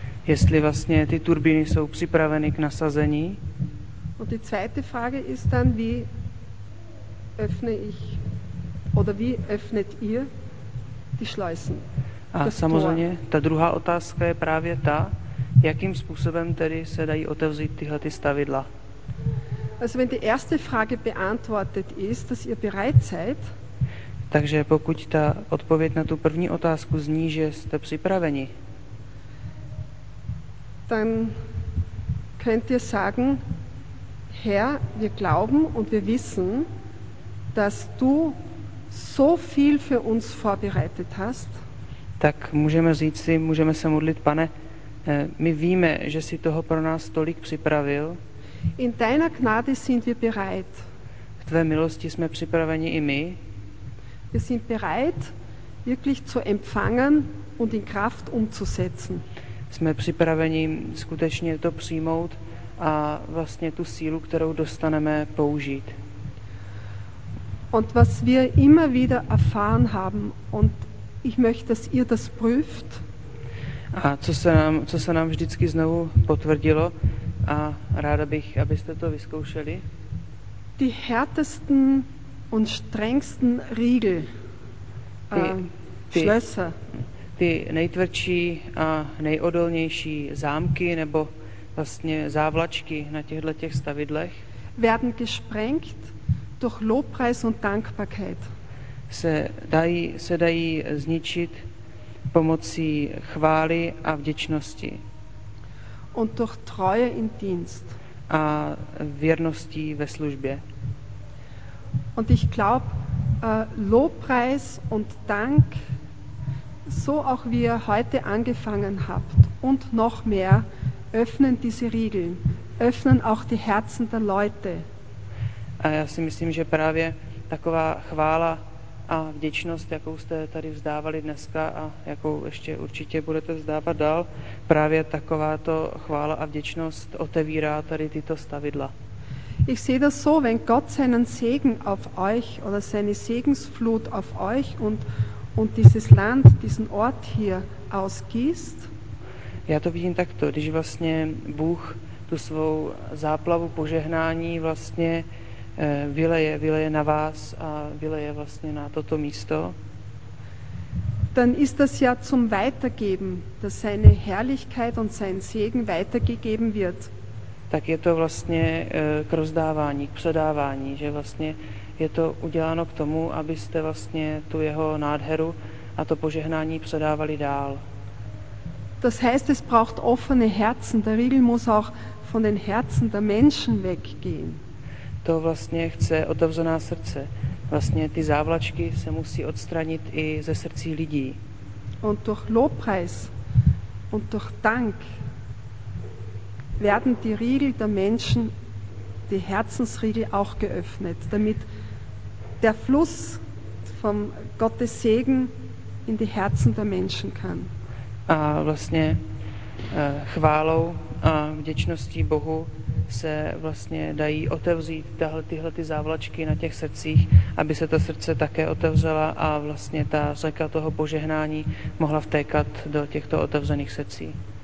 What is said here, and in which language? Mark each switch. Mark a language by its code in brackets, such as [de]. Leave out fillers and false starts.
[cs] Jestli vlastně ty turbíny jsou připraveny k nasazení. [de] Und die zweite Frage ist dann, wie öffne ich oder wie öffnet ihr die Schleusen? [cs] A samozřejmě ta druhá otázka je právě ta, jakým způsobem tedy se dají otevřít tyhle ty stavidla. [de] Also wenn die erste Frage beantwortet ist, dass ihr bereit seid, [cs] takže pokud ta odpověď na tu první otázku zní, že jste připraveni, [de] dann könnt ihr sagen, Herr, wir glauben und wir wissen, dass du so viel für uns vorbereitet hast. [cs] Tak můžeme říct si, můžeme se modlit, Pane, my víme, že jsi toho pro nás tolik připravil. [de] In deiner Gnade sind wir bereit. [cs] V tvé milosti jsme připraveni i my. [de] Wir sind bereit, wirklich zu empfangen und in Kraft umzusetzen. [cs] Jsme připraveni skutečně to přijmout a vlastně tu sílu, kterou dostaneme, použít. [de] Und was wir immer wieder erfahren haben und ich möchte, dass ihr das prüft. [cs] A co se nám vždycky znovu potvrdilo a ráda bych, abyste to vyzkoušeli. [de] Die härtesten und strengsten Riegel. Schlösser. [cs] Ty nejtvrdší a nejodolnější zámky nebo vlastně závlačky na těchto těch stavidlech [de] werden gesprengt durch Lobpreis und Dankbarkeit. [cs] Se dají zničit pomocí chvály a vděčnosti. [de] Und durch Treue im Dienst. [cs] A věrností ve službě. [de] Und ich glaube, Lobpreis und Dank, so auch wie ihr heute angefangen habt und noch mehr, öffnen diese Riegel, öffnen auch die Herzen der Leute. [cs] A já si myslím, že právě taková chvála a vděčnost, jakou jste tady vzdávali dneska a jakou ještě určitě budete vzdávat dál, právě takováto chvála a vděčnost otevírá tady tyto stavidla. [de] Ich sehe das so, wenn Gott seinen Segen auf euch oder seine Segensflut auf euch und dieses Land, diesen Ort hier ausgießt. [cs] Já to vidím takto, když vlastně Bůh tu svou záplavu požehnání vlastně vyleje na vás a vyleje vlastně na toto místo. [de] Dann ist das ja zum Weitergeben, dass seine Herrlichkeit und sein Segen weitergegeben wird. [cs] Tak je to vlastně k rozdávání, k předávání, že vlastně je to uděláno k tomu, abyste vlastně tu jeho nádheru a to požehnání předávali dál. [de] Das heißt, es braucht offene Herzen. Der Riegel muss auch von den Herzen der Menschen weggehen. [cs] To vlastně chce otevřená srdce. Vlastně ty závlačky se musí odstranit i ze srdcí lidí. [de] Und durch Lobpreis und durch Dank werden die Riegel der Menschen, die Herzensriegel auch geöffnet, damit der Fluss vom Gottes Segen in die Herzen der Menschen kann. [cs] A vlastně chválou a vděčností Bohu se vlastně dají otevřít tyhle ty závlačky na těch srdcích, aby se ta srdce také otevřela a vlastně ta řeka toho požehnání mohla vtékat do těchto otevřených srdcí.